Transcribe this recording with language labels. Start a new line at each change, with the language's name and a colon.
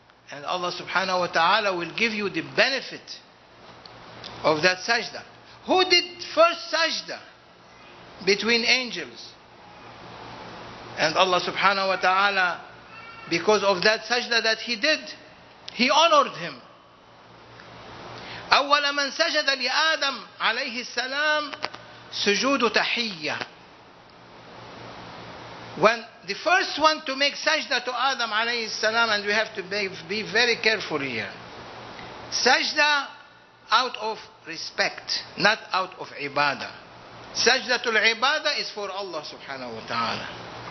English: And Allah subhanahu wa ta'ala will give you the benefit of that sajda. Who did first sajda between angels? And Allah subhanahu wa ta'ala, because of that sajda that he did, he honored him.
Arabic: أول من سجد لآدم عليه السلام سجود تحية.
English: When the first one to make sajda to Adam عليه السلام, and we have to be very careful here. Sajda out of respect, not out of ibadah. Sajda to al-ibadah is for Allah subhanahu wa ta'ala.